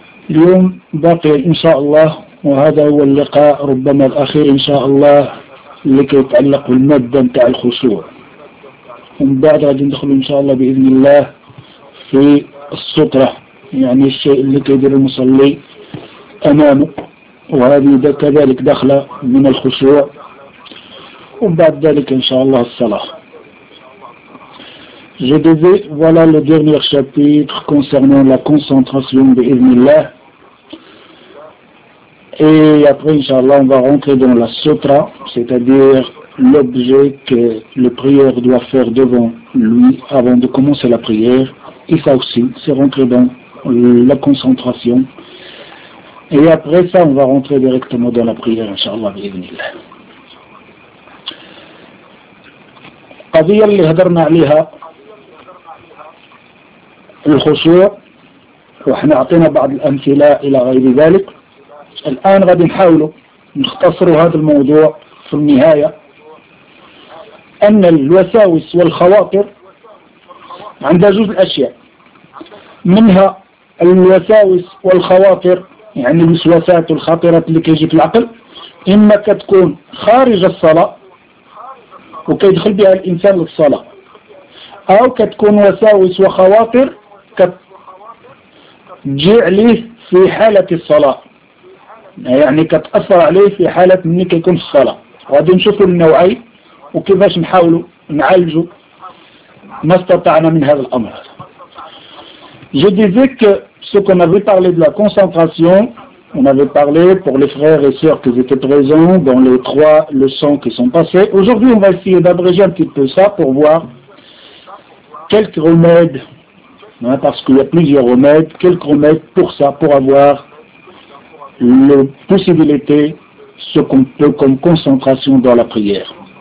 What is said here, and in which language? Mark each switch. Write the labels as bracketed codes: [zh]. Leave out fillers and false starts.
[ar] اليوم باقي إن شاء الله، وهذا هو اللقاء ربما الأخير إن شاء الله لكي يتعلق بالمادة نتاع الخشوع، ومن بعد غادي ندخلوا ان شاء الله باذن الله في الستره، يعني الشيء اللي كيدير المصلي امامه، وهذه كذلك دخله من الخشوع، ومن بعد ذلك ان شاء الله الصلاه. [fr] Je disais voilà le dernier chapitre concernant la concentration [ar] باذن الله، [fr] et après [ar] ان شاء الله [fr] on va rentrer dans la sutra, c'est-à-dire l'objet que le prieur doit faire devant lui avant de commencer la prière. Et ça aussi, c'est rentrer dans la concentration. Et après ça, on va rentrer directement dans la prière, Inch'Allah, bienvenue. [ar] قضية اللي هدرنا عليها الخشوع، وحنا عطينا بعض الأمثلة إلى غير ذلك. الآن غادي نحاولوا نختصر هذا الموضوع في النهاية، أن الوساوس والخواطر عندها جزء أشياء، منها الوساوس والخواطر يعني الوسواسات الخاطرات اللي كيجي في العقل، إما كتكون خارج الصلاة وكيدخل بها الإنسان للصلاة، أو كتكون وساوس وخواطر كتجي عليه في حالة الصلاة، يعني كتأثر عليه في حالة من كيكون في الصلاة. وغادي نشوفوا النوعين وكيفاش نحاولوا نعالجوا ما استطعنا من هذا الامر. [fr] Je disais que ce qu'on avait parlé de la concentration, on avait parlé pour les frères et sœurs qui étaient présents dans les trois leçons qui sont passées. Aujourd'hui, on va essayer d'abréger un petit peu ça pour voir quelques remèdes, hein, parce qu'il y a plusieurs remèdes, quelques remèdes pour ça, pour avoir la possibilité, ce qu'on peut comme concentration dans la prière.